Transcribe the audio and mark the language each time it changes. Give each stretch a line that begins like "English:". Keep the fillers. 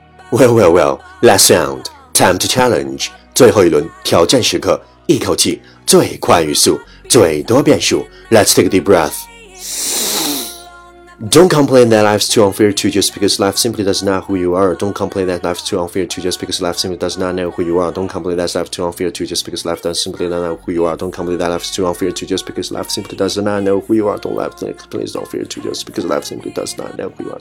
English: Well, well, well, last round, time to challenge.
Chinese: 最后一轮挑战时刻，一口气最快语速，最多变数。
English: Let's take a deep breath. Don't complain that life's too unfair to you just because life simply does not who you are. Don't complain that life's too unfair to you just because life simply does not know who you are. Don't complain that life's too unfair to you just because life does simply not know who you are. Don't complain that life's too unfair to you just because life simply does not know who you are. Don't laugh please don't fear to just because life simply does not know who you are.